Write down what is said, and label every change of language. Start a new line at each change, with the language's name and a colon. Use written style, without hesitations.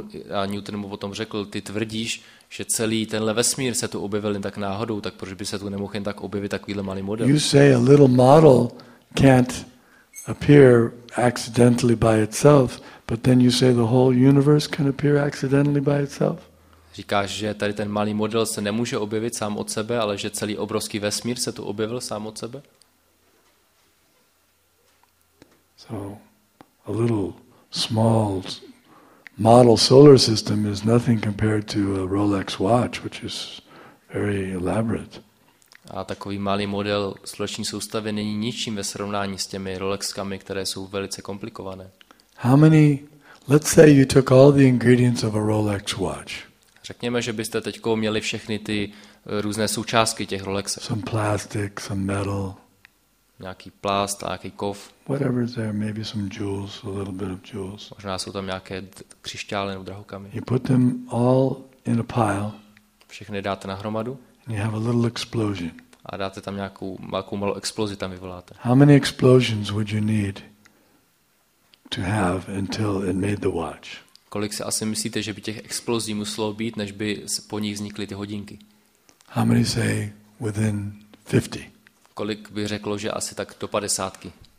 Czech: A Newton mu potom řekl, ty tvrdíš, že celý tenhle vesmír se tu objevil jen tak náhodou, tak proč by se tu nemohl jen tak objevit takovýhle malý model?
English: You say a little model can't appear accidentally by itself, but then you say the whole universe can appear accidentally by itself?
Czech: Říkáš, že tady ten malý model se nemůže objevit sám od sebe, ale že celý obrovský vesmír se tu objevil sám od sebe?
English: So a little small model solar system is nothing compared to a Rolex watch, which is very elaborate.
Czech: A takový malý model sluneční soustavy není ničím ve srovnání s těmi Rolexkami, které jsou velice komplikované.
English: How many, let's say you took all the ingredients of a Rolex watch.
Czech: Řekněme, že byste teďko měli všechny ty různé součástky těch Rolexů.
English: Some plastic, some metal.
Czech: Nějaký plast, nějaký kov.
English: Whatever is there, maybe some jewels, a little bit of jewels.
Czech: Možná jsou tam nějaké křišťály nebo drahokamy.
English: You put them all in a pile.
Czech: Všechny dáte na hromadu.
English: And you have a little explosion.
Czech: A dáte tam nějakou malou, malou explozi tam vyvoláte.
English: How many explosions would you need to have until it made the watch?
Czech: Kolik si asi myslíte, že by těch explozí muselo být, než by po nich vznikly ty hodinky?
English: How many say within 50?
Czech: Kolik by řeklo, že asi tak do padesátky?